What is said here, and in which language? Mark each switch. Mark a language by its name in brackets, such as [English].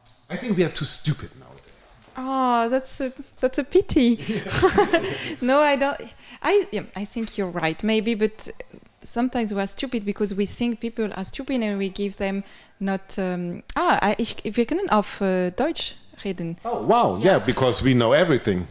[English] I think we are too stupid now. Oh, that's a pity. No, I don't. I think you're right, maybe, but sometimes we are stupid because we think people are stupid and we give them not. [German] Wir können auf Deutsch reden. [English] Oh, wow, yeah, because we know everything.